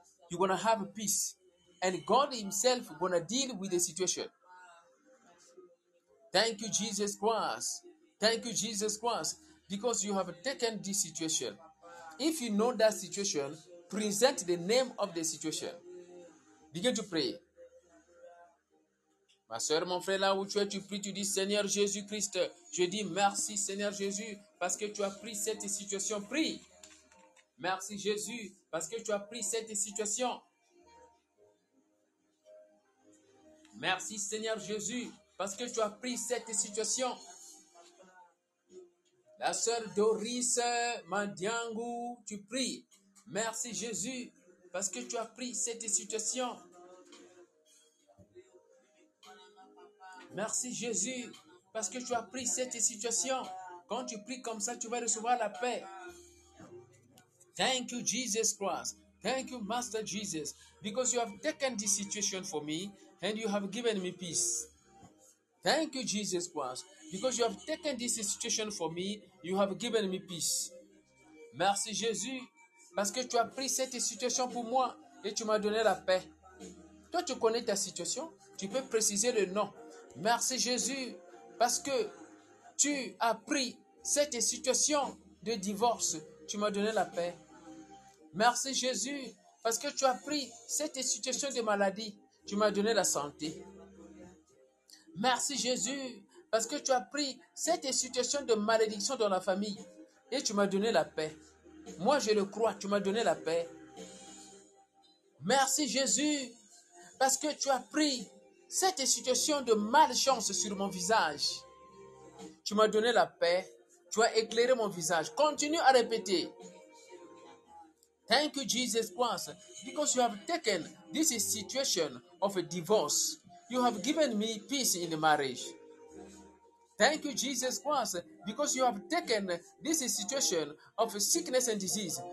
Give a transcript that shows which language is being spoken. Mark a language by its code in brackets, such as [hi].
[en] You're going to have peace. And God himself is going to deal with the situation. Thank you, Jesus Christ. Thank you, Jesus Christ, because you have taken this situation. If you know that situation, present the name of the situation. Begin to pray. [fr] Ma soeur, mon frère, là où tu es, tu pries, tu dis, Seigneur Jésus-Christ, je dis merci, Seigneur Jésus, parce que tu as pris cette situation. Prie. Merci, Jésus, parce que tu as pris cette situation. Merci, Seigneur Jésus, parce que tu as pris cette situation. La sœur Doris Mandiangou, tu pries. Merci Jésus, parce que tu as pris cette situation. Merci Jésus, parce que tu as pris cette situation. Quand tu pries comme ça, tu vas recevoir la paix. [en] Thank you Jesus Christ. Thank you Master Jesus. Because you have taken this situation for me and you have given me peace. Thank you, Jesus Christ, because you have taken this situation for me, you have given me peace. [fr] Merci, Jésus, parce que tu as pris cette situation pour moi et tu m'as donné la paix. Toi, tu connais ta situation, tu peux préciser le nom. Merci, Jésus, parce que tu as pris cette situation de divorce, tu m'as donné la paix. Merci Jésus, parce que tu as pris cette situation de maladie, tu m'as donné la santé. Merci Jésus, parce que tu as pris cette situation de malédiction dans la famille et tu m'as donné la paix. Moi, je le crois, tu m'as donné la paix. Merci Jésus, parce que tu as pris cette situation de malchance sur mon visage. Tu m'as donné la paix, tu as éclairé mon visage. Continue à répéter. [en] Thank you, Jesus Christ, because you have taken this situation of a divorce. You have given me peace in the marriage. Thank you, Jesus Christ, because you have taken this situation of sickness and disease.